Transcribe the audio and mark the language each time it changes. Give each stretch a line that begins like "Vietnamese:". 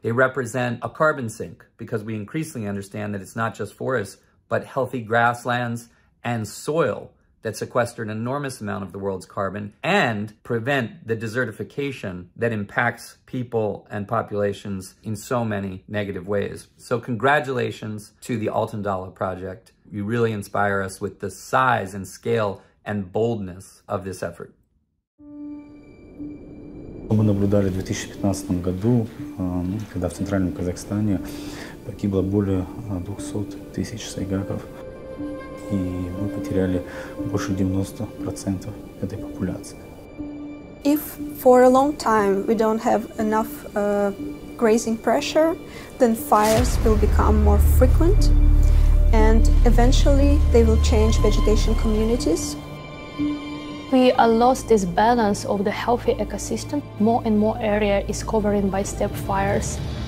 English: They represent a carbon sink, because we increasingly understand that it's not just forests, but healthy grasslands and soil that sequester an enormous amount of the world's carbon and prevent the desertification that impacts people and populations in so many negative ways. So congratulations to the Altın Dağı project. You really inspire us with the size and scale and boldness of this effort.
Russian: Мы наблюдали в 2015 году, когда в центральном Казахстане погибло более 200 тысяч сайгаков, и мы потеряли больше 90% этой популяции.
English: if for a long time we don't have enough grazing pressure, then fires will become more frequent and eventually they will change vegetation communities. We are lost this balance of the healthy ecosystem. More and more area is covered by steppe fires.